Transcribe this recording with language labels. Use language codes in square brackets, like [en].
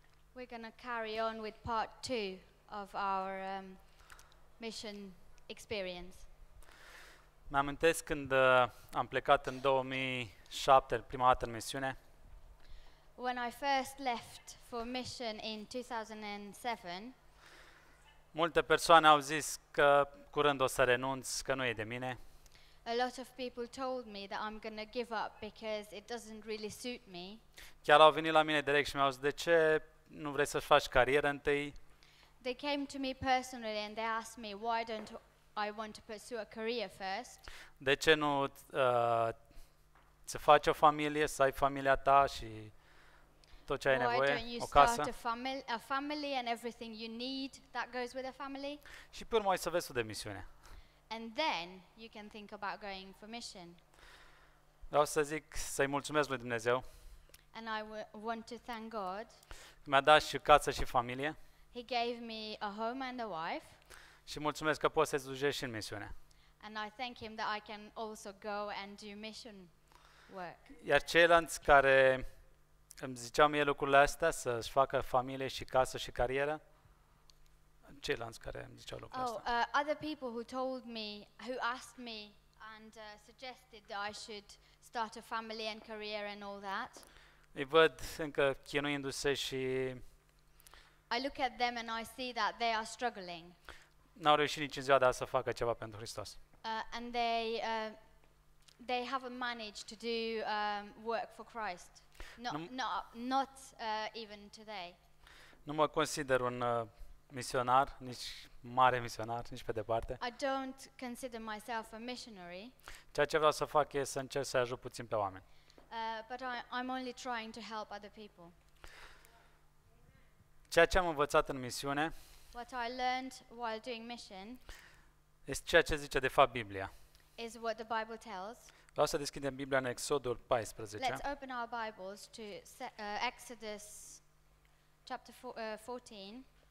[en] We're going to carry on with part two of our mission experience. [ro] Mi-amintesc când am plecat în 2007, prima dată în misiune. [en] When I first left for mission in 2007, [ro] multe persoane au zis că curând o să renunț, că nu e de mine. [en] A lot of people told me that I'm going to give up because it doesn't really suit me. [ro] Chiar au venit la mine direct și mi-au zis, de ce nu vrei să-ți faci carieră întâi? [en] They came to me personally and they asked me, why don't I want to pursue a career first? [ro] De ce nu să faci o familie, să ai familia ta și tot ce ai nevoie, o casă? [en] Why don't you start a family and everything you need that goes with a family? [ro] Și pe urmă ai să vezi o demisiune. [en] And then you can think about going for mission. [ro] Vreau să zic să-i mulțumesc lui Dumnezeu. [en] And I want to thank God. [ro] Mi-a dat și casă și familie. [en] He gave me a home and a wife. [ro] Și mulțumesc că pot să slujesc în misiune. [en] And I thank him that I can also go and do mission work. [ro] Iar ceilalți care îmi ziceau mie lucrurile astea, să-și facă familie și casă și carieră, ceilalți care îmi ziceau lucrurile astea. [en] Oh, other people who told me, who asked me and suggested that I should start a family and career and all that. [ro] Îi văd încă chinuindu-se și [en] I look at them and I see that they are struggling. [ro] N-au reușit nici în ziua de azi să facă ceva pentru Hristos. [en] And they haven't managed to do work for Christ. Not even today. [ro] Nu mă consider un misionar, nici mare misionar, nici pe departe. [en] I don't consider myself a missionary. [ro] Ceea ce vreau să fac e să încerc să ajut puțin pe oameni. [en] But I'm only trying to help other people. [ro] Ceea ce am învățat în misiune, [en] what I learned while doing mission, [ro] este ceea ce zice de fapt Biblia. [en] Is what the Bible tells. [ro] Vreau să deschidem Biblia în Exodul 14. [en] Let's open our Bibles to Exodus chapter 14.